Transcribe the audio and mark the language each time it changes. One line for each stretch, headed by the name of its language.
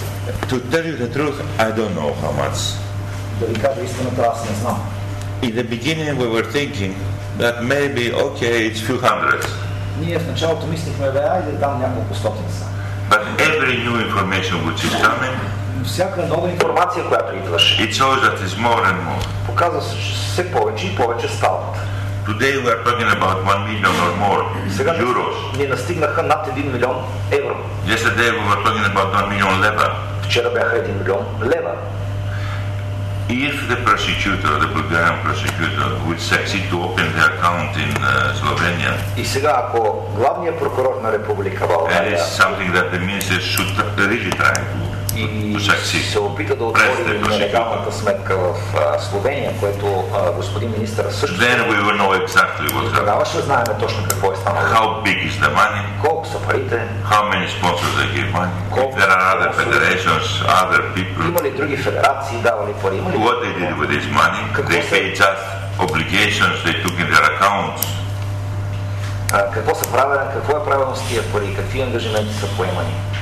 English: To tell you the truth, I don't know how much.
Bulgarian: Да ви кажа истината, аз не знам.
English: In the beginning we were thinking that maybe, okay, it's few hundred.
Bulgarian: Ние в началото мислихме, бе, айде там няколко стотин са.
English: But every new information which is coming,
Bulgarian: всяка нова информация, която идваше,
English: it shows that it's more and more.
Bulgarian: Показва се, че все повече и повече стават.
English: Today we are talking about 1 million or more
Bulgarian: сега
English: euros.
Bulgarian: Ни настигнаха над 1 милион евро.
English: Yesterday we were talking about 1 million leva.
Bulgarian: Вчера бяха 1 милион лева.
English: If the prosecutor, the Bulgarian prosecutor, would succeed to open the account in Slovenia,
Bulgarian: и сега, ако главният прокурор на Република България,
English: that is something that the minister should really try to succeed.
Bulgarian: Се опита да отвори нелегалната сметка в Словения, което господин министър също.
English: Then we will know exactly what happened.
Bulgarian: Тогава ще знаем точно какво е станало.
English: How big is the money?
Bulgarian: Колко са парите?
English: How many sponsors they give money?
Bulgarian: Колко?
English: There are other federations, other people.
Bulgarian: Има ли други федерации давали пари?
English: What they did with this money? They paid us obligations they took in their accounts.
Bulgarian: Какво са правили? Какво е правено с тия пари? Какви ангажименти са поемани?